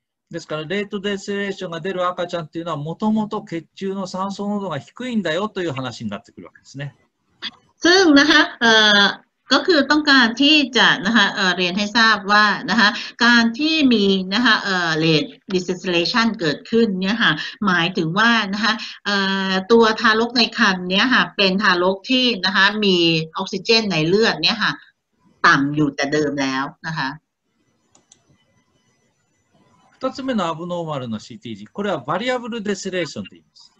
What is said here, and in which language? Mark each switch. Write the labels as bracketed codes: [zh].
[ja] ですからレートデスレーションが出る赤ちゃんっていうのはもともと血中の酸素濃度が低いんだよという話になってくるわけですね。 [th] ซึ่งนะคะก็คือต้องการที่จะนะคะเรียนให้ทราบว่านะคะการที่มีนะคะrate dissociation เกิดขึ้นเนี่ยค่ะหมายถึงว่านะคะตัวทารกในครรภ์เนี่ยค่ะเป็นทารกที่นะคะมีออกซิเจนในเลือดเนี่ยค่ะต่ำอยู่แต่เดิมแล้วนะคะ [ja] 2つ目のアブノーマルの CTG、これはバリアブルデスレーションと言います。